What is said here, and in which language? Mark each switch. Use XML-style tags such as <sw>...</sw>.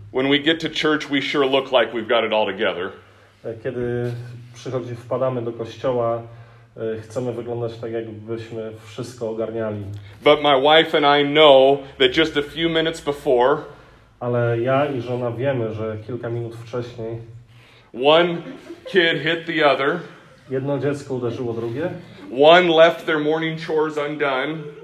<en>When we get to church, we sure look like we've got it all together.</en> <pl>Kiedy wpadamy do kościoła, chcemy wyglądać tak, jakbyśmy wszystko ogarniali.</pl> <en>But my wife and I know that just a few minutes before,</en> <pl>ale ja i żona wiemy, że kilka minut wcześniej,</pl> <en>one kid hit the other.</en> <pl>Jedno dziecko uderzyło drugie.</pl> <en>One left their morning chores undone.</en>